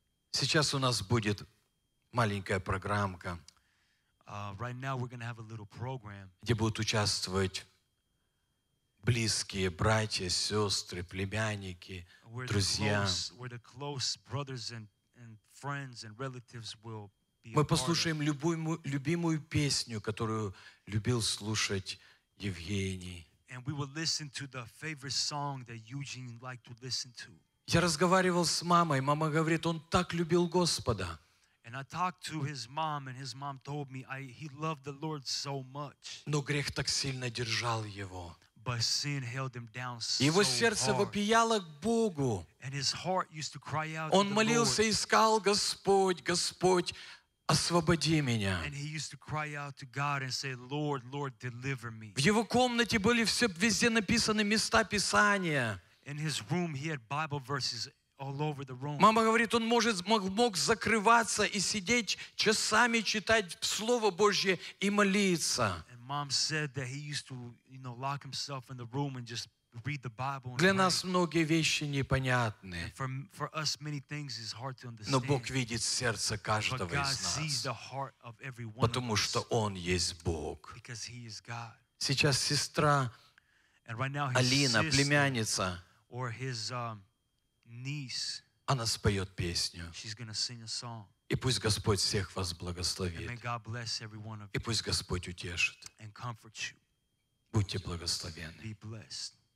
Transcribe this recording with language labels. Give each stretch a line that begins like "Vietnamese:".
Russian: Сейчас у нас будет маленькая программка.
English: Right now we're going to have a little program.
Russian: Где будут участвовать близкие братья, сестры, племянники, друзья.
English: Where the close brothers and friends and relatives will be.
Russian: Мы послушаем любимую песню, которую любил слушать Евгений.
English: And we will listen to the favorite song that Eugene liked to listen to.
Russian: Я разговаривал с мамой, мама говорит, он так любил Господа.
English: And I talked to his mom, and his mom told me he loved the Lord so much.
Russian: Но грех так сильно держал его.
English: But sin held him down so hard.
Russian: Его сердце вопияло к Богу.
English: And his heart used to cry out.
Russian: Он молился и искал: Господь, Господь, освободи меня.
English: And he used to cry out to God and say, Lord, Lord, deliver me.
Russian: В его комнате были все везде написаны места Писания.
English: In his room, he had Bible verses. All over the room.
Russian: Мама говорит, он мог закрываться и сидеть часами читать Слово Божье и молиться.
English: And mom said that he used to, you know, lock himself in the room and just read the Bible.
Russian: Для нас многие вещи непонятны.
English: For us, many things is hard to understand.
Russian: Но Бог видит сердце каждого из нас.
English: But God sees the heart of every one of us.
Russian: Потому что Он есть Бог.
English: Because He is God.
Russian: Сейчас сестра Алина, племянница.
English: Or his niece,
Russian: она споет песню.
English: She's gonna sing a song.
Russian: И пусть Господь всех вас благословит.
English: And may God bless every one of you.
Russian: И пусть Господь утешит.
English: And comfort you.
Russian: Будьте благословенны.
English: Be blessed.